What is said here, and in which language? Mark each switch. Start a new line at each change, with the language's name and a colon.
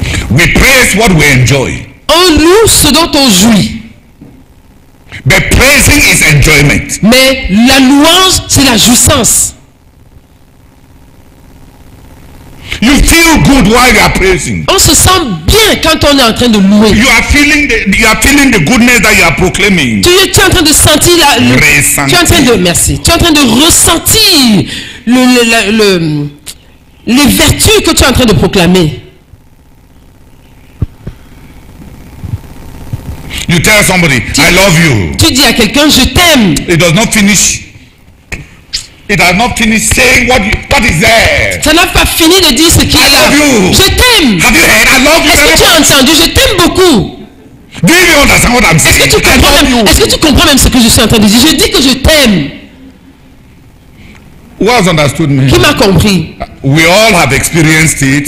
English: We praise what we enjoy.
French: On loue ce dont on jouit.
English: But praising is enjoyment.
French: Mais la louange, c'est la jouissance.
English: You feel good while you are praising.
French: On se sent bien quand on est en train de louer.
English: You are feeling the goodness that you are proclaiming.
French: Tu es en train de sentir la. Ressentir. Tu es en train de merci. Tu es en train de ressentir les vertus que tu es en train de proclamer.
English: You tell somebody, I love you.
French: Tu dis à quelqu'un, je t'aime.
English: It does not finish. It has not finished saying what is there.
French: Ça n'a pas fini de dire ce qu'il y a.
English: I love you.
French: Je t'aime.
English: Have you heard? I love you.
French: Est-ce que tu as entendu? Je t'aime beaucoup.
English: Do you understand what I'm saying?
French: Est-ce que tu comprends même? Est-ce que tu comprends même ce que je suis en train de dire? Je dis que je t'aime.
English: Who has understood me?
French: Qui m'a compris?
English: We all have experienced it.